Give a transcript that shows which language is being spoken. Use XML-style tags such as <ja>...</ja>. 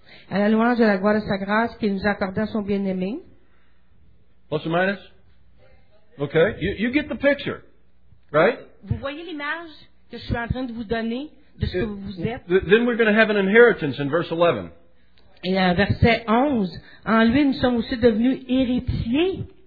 <fr>À la louange et la gloire de sa grâce qu'il nous accorda son bien-aimé. Plus ou moins?</fr> <en>Okay. You get the picture, right?</en> <fr>Vous voyez l'image que je suis en train de vous donner de ce que vous êtes?</fr> <en>Then we're going to have an inheritance in verse 11.</en> <fr>Et en verset 11, en lui nous sommes aussi devenus héritiers.</fr>